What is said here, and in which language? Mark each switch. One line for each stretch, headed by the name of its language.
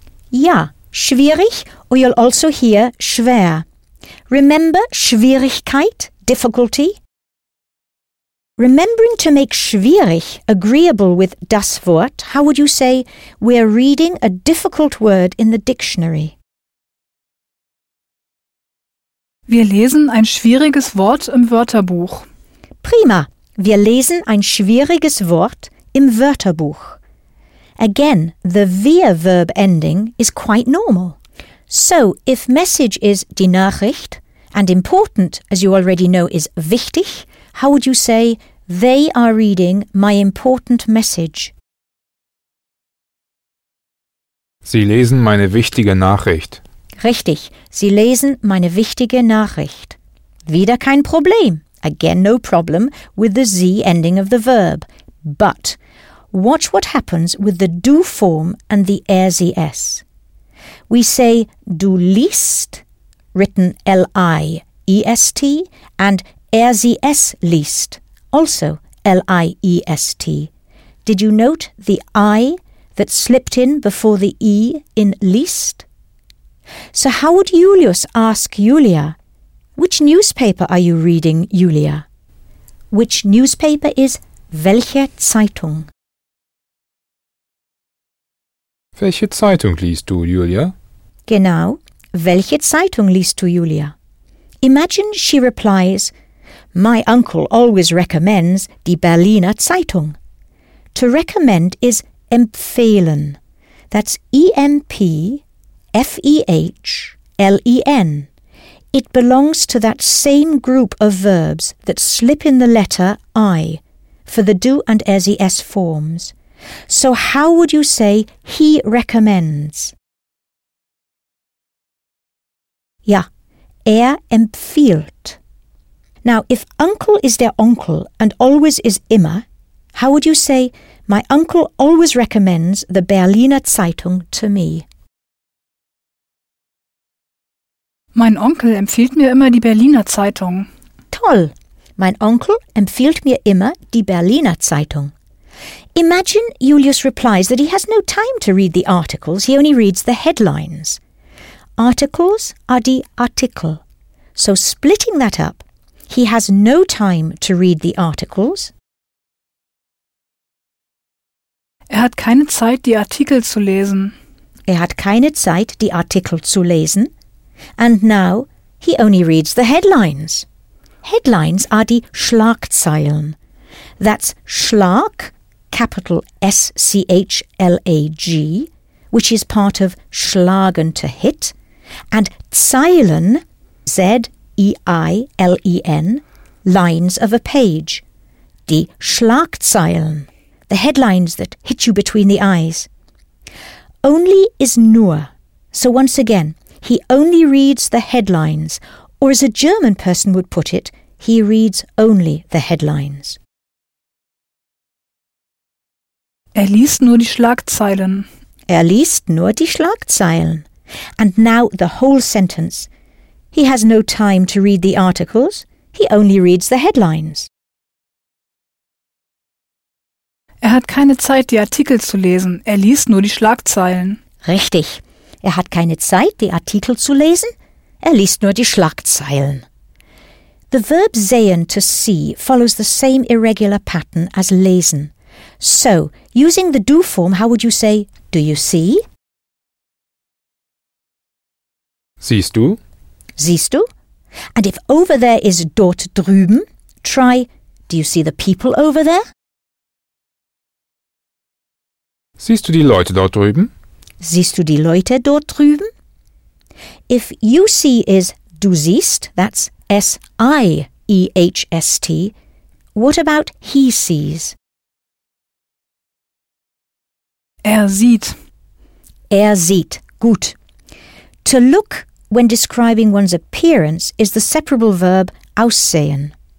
English: Ja, schwierig, or you'll also hear schwer. Remember Schwierigkeit, difficulty? Remembering to make schwierig agreeable with das Wort, how would you say we're reading a difficult word in the dictionary?
German: Wir lesen ein schwieriges Wort im Wörterbuch. Prima, wir lesen ein schwieriges Wort im Wörterbuch.
English: Again, the wir verb ending is quite normal. So, if message is die Nachricht and important, as you already know, is wichtig, how would you say they are reading my important message?
German: Sie lesen meine wichtige Nachricht. Richtig, sie lesen meine wichtige Nachricht. Wieder kein Problem.
English: Again, no problem with the Z ending of the verb. But watch what happens with the do form and the RZS. We say du liest, written L-I-E-S-T, and RZS liest, also L-I-E-S-T. Did you note the I that slipped in before the E in liest? So how would Julius ask Julia, which newspaper are you reading, Julia? Which newspaper is welche Zeitung?
German: Welche Zeitung liest du, Julia? Genau. Welche Zeitung liest du, Julia?
English: Imagine she replies, my uncle always recommends die Berliner Zeitung. To recommend is empfehlen. That's E-M-P-F-E-H-L-E-N. It belongs to that same group of verbs that slip in the letter I for the do and RZS forms. So how would you say he recommends?
German: Ja, empfiehlt.
English: Now, if uncle is der Onkel and always is immer, how would you say my uncle always recommends the Berliner Zeitung to me?
German: Mein Onkel empfiehlt mir immer die Berliner Zeitung. Toll! Mein Onkel empfiehlt mir immer die Berliner Zeitung.
English: Imagine Julius replies that he has no time to read the articles, he only reads the headlines. Articles are die Artikel. So splitting that up, he has no time to read the articles.
German: Hat keine Zeit, die Artikel zu lesen. Hat keine Zeit, die Artikel zu lesen.
English: And now he only reads the headlines. Headlines are die Schlagzeilen. That's Schlag, capital S-C-H-L-A-G, which is part of schlagen, to hit, and Zeilen, Z-E-I-L-E-N, lines of a page. Die Schlagzeilen, the headlines that hit you between the eyes. Only is nur. So once again, he only reads the headlines, or as a German person would put it, he reads only the headlines.
German: Liest nur die Schlagzeilen. Liest nur die Schlagzeilen.
English: And now the whole sentence. He has no time to read the articles. He only reads the headlines.
German: Hat keine Zeit, die Artikel zu lesen. Liest nur die Schlagzeilen. Richtig. Hat keine Zeit, die Artikel zu lesen. Liest nur die Schlagzeilen.
English: The verb sehen, to see, follows the same irregular pattern as lesen. So, using the do form, how would you say, do you see?
German: Siehst du? Siehst du?
English: And if over there is dort drüben, try, do you see the people over there?
German: Siehst du die Leute dort drüben? Siehst du die Leute dort drüben?
English: If you see is du siehst, that's S-I-E-H-S-T, what about he sees?
German: Sieht. Sieht. Gut.
English: To look when describing one's appearance is the separable verb aussehen.